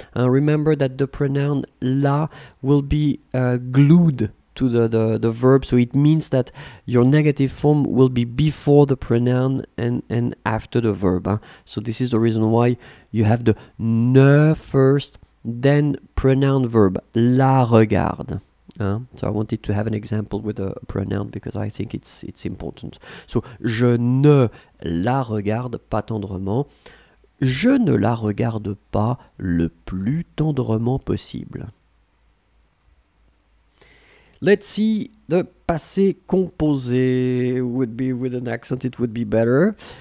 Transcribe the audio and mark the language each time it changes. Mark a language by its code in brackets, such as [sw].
[en] Remember that the pronoun la will be glued to the verb, so it means that your negative form will be before the pronoun and after the verb. So this is the reason why you have the ne first, then pronoun verb, la regarde. So I wanted to have an example with a pronoun because I think it's important. [fr] So, je ne la regarde pas tendrement. Je ne la regarde pas le plus tendrement possible. [en] Let's see the passé composé would be with an accent, it would be better.